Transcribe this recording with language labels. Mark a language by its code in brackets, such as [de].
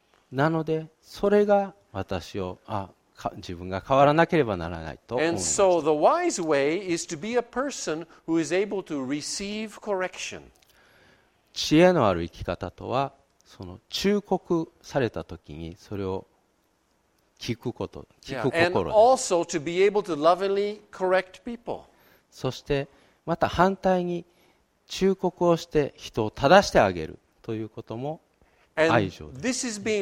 [ja] なのでそれが私を自分が変わらなければならないと思いました。 [en] So、the wise way is to [ja] be 知恵のある生き方とはその忠告された時にそれを聞くこと、聞く心です。 [en] And also to be able to lovingly correct people. [ja] そしてまた反対に忠告をして人を正してあげるということも愛情です。